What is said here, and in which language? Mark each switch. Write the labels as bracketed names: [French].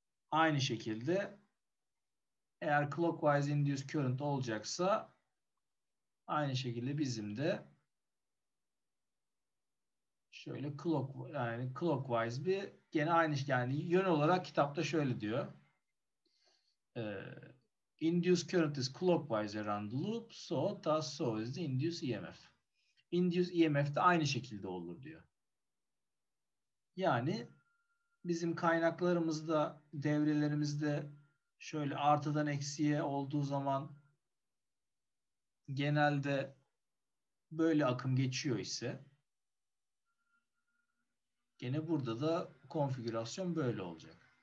[Turkish] Aynı şekilde eğer clockwise induced current olacaksa aynı şekilde bizim de şöyle clockwise bir gene aynı, yani yön olarak kitapta şöyle diyor. [English] Induced current is clockwise around the loop, so is the induced EMF. [Turkish] Induced EMF de aynı şekilde olur diyor. Yani bizim kaynaklarımızda, devrelerimizde şöyle artıdan eksiye olduğu zaman genelde böyle akım geçiyor ise, gene burada da konfigürasyon böyle olacak.